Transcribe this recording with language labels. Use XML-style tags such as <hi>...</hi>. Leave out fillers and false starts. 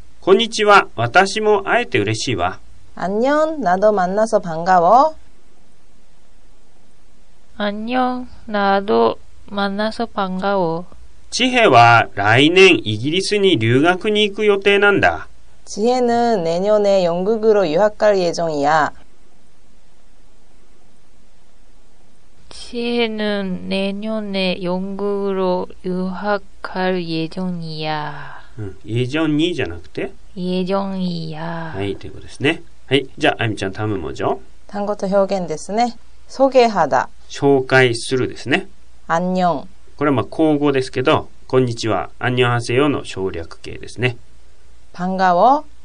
<ja>こんにちは。私も会えて嬉しいわ。</ja> <ko>あんにょん、나도만나서반가워。あんにょん、나도만나서반가워。</ko> <ja>지혜は来年イギリスに留学に行く予定なんだ。</ja> <ko>지혜는내년에영국으로유학갈예정이야。 지혜는내년에영국으로유학갈예정이야。 예정이</ko> <ja>じゃなくて</ja> <ko>예정이야。</ko> <ja>はい、ということですね。はい、じゃあ、あゆみちゃん、タムもじゃ。単語と表現ですね。ソゲハダ、紹介するですね。</ja> <ko>アンニョン、</ko> <ja>これはまあ口語ですけど、こんにちは、アンニョンハセヨの省略形ですね。</ja> <ko>パンガオ、</ko>